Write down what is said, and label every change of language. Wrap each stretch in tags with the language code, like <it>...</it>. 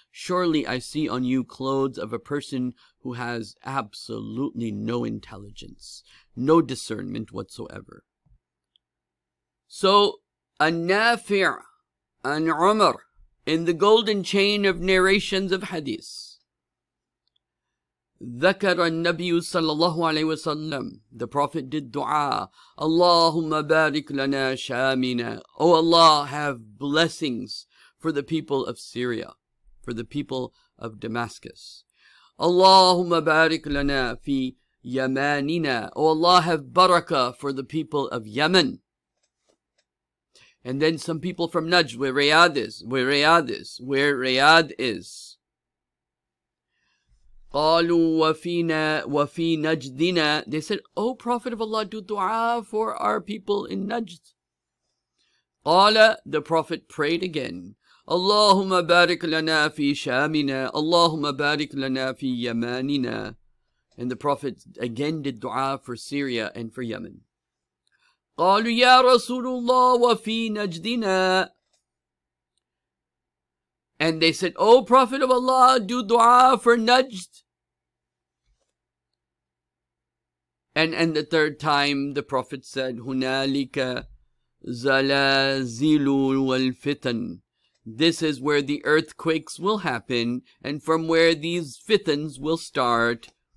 <en>Surely I see on you clothes of a person who has absolutely no intelligence, no discernment whatsoever. So, a nafi' an Umar in the golden chain of narrations of hadith.</en> <ar>ذكر النبي صلى الله عليه وسلم.</ar> <en>The Prophet did dua.</en> <ar>اللهم بارك لنا شامنا.</ar> <en>O Allah, have blessings for the people of Syria, for the people of Damascus.</en> <ar>اللهم بارك لنا في يماننا.</ar> <en>O Allah, have barakah for the people of Yemen. And then some people from Najd, where Riyadh is, where Riyadh is, where Riyadh is.</en> <ar>قالوا وفينا وفي نجدنا.</ar> <en>They said, O Prophet of Allah, do dua for our people in Najd. قال, the Prophet prayed again.</en> <ar>اللهم بارك لنا في شامنا. اللهم بارك لنا في يماننا.</ar> <en>And the Prophet again did dua for Syria and for Yemen.</en> <ar>قالوا يا رسول الله وفي نجدنا.</ar> <en>And they said, O Prophet of Allah, do dua for Najd. And the third time the Prophet said,</en> <ar>هُنَالِكَ زَلَازِلُ وَالْفِتَنُ.</ar> <en>This is where the earthquakes will happen and from where these fitans will start.</en>